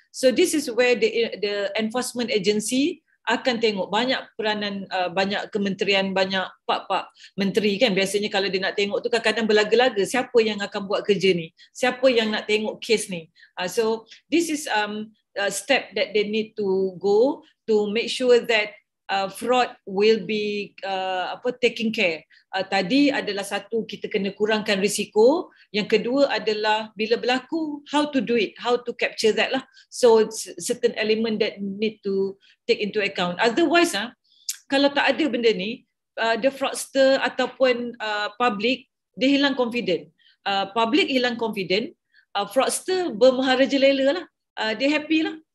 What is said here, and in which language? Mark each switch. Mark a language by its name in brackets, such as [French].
[English] So this is where the enforcement agency [Malay] akan tengok banyak peranan, banyak kementerian, banyak pak-pak menteri kan. Biasanya kalau dia nak tengok tu kadang-kadang berlaga-laga, siapa yang akan buat kerja ni? Siapa yang nak tengok kes ni? [English] So this is a step that they need to go to make sure that fraud will be taking care. [Malay] Tadi adalah satu, kita kena kurangkan risiko. Yang kedua adalah bila berlaku, [English] how to do it, how to capture that [Malay] lah. [English] So certain element that need to take into account. [Malay] Otherwise, kalau tak ada benda ni, the fraudster ataupun public, dia hilang confident. Public hilang confident, fraudster bermahara jelela lah. Dia happy lah.